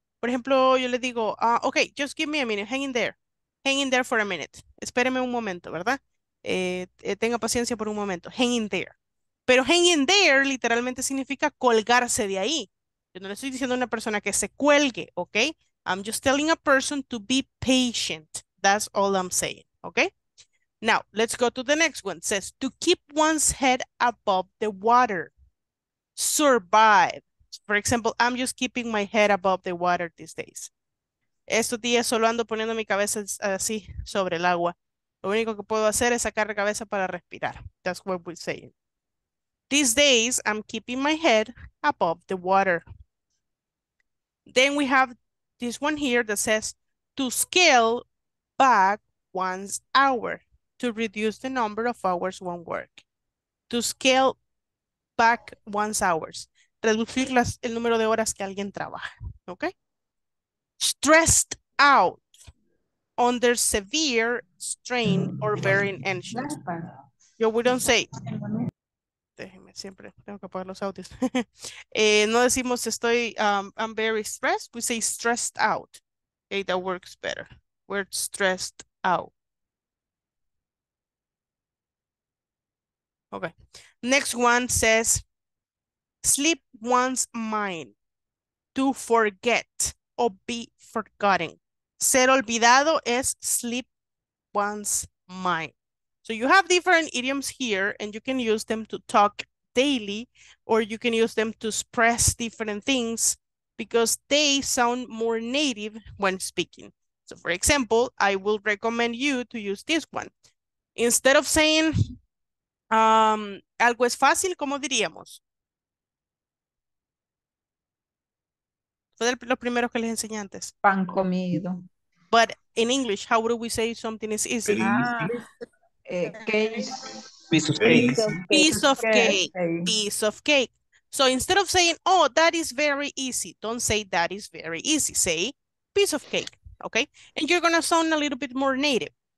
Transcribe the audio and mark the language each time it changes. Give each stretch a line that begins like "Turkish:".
Spanish: Por ejemplo, yo le digo,
English: ok, just give me a minute. Hang in there. Hang in there for a minute.
Spanish: Espéreme un momento, ¿verdad? Tenga paciencia por un momento.
English: Hang in there.
Spanish: Pero
English: hang in there
Spanish: literalmente significa colgarse de ahí. Yo no le estoy diciendo a una persona que se cuelgue, ¿ok?
English: I'm just telling a person to be patient. That's all I'm saying, ¿ok? Now, let's go to the next one. It says to keep one's head above the water. Survive. For example, I'm just keeping my head above the water these days.
Spanish: Estos días solo ando poniendo mi cabeza así sobre el agua. Lo único que puedo hacer es sacar la cabeza para respirar.
English: That's what we're saying. These days, I'm keeping my head above the water. Then we have this one here that says to scale back one's hour. To reduce the number of hours one work. To scale back one's hours.
Spanish: Reducir el número de horas que alguien trabaja.
English: ¿Ok? Stressed out, under severe strain or very anxious. Yo, we don't say.
Spanish: Déjeme, siempre tengo que apagar los audios. no decimos estoy,
English: I'm very stressed. We say stressed out. Okay, that works better. We're stressed out. Okay. Next one says, sleep one's mind. To forget. O be forgotten.
Spanish: Ser olvidado es
English: sleep one's mind. So you have different idioms here and you can use them to talk daily or you can use them to express different things because they sound more native when speaking. So for example, I will recommend you to use this one.
Spanish: Instead of saying algo es fácil, ¿cómo diríamos? Fue de los primeros que les enseñé antes. Pan comido.
English: But in English, how would we say something is easy? Ah, case. Piece of cake. Piece of cake. Piece Piece of cake. So instead of saying, oh, that is very easy, don't say that is very easy. Say piece of cake, okay? And you're going to sound a little bit more native.